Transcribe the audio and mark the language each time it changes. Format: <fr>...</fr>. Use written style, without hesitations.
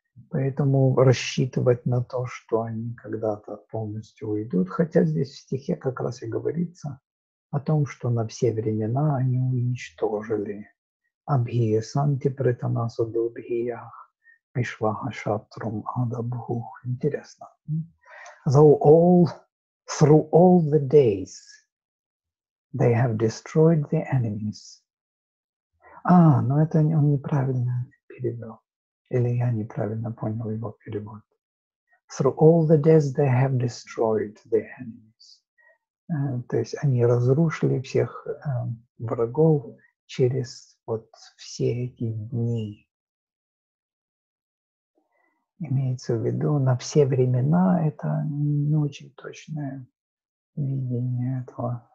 <ru>Поэтому рассчитывать на то, что они когда-то полностью уйдут, хотя здесь в стихе как раз и говорится о том, что на все времена они уничтожили</ru> <sa>Абхия Санти Пританасу Дубхиях Мишваха Шатрум Адабхух.</sa> <ru>Интересно.</ru> <en>Though all, through all the days they have destroyed the enemies.</en> <ru>А, но это он неправильно перевел. Или я неправильно понял его перевод.</ru> <en>Through all the days they have destroyed the enemies.</en> <ru>То есть они разрушили всех врагов через вот все эти дни. Имеется в виду, на все времена это не очень точное видение этого.</ru>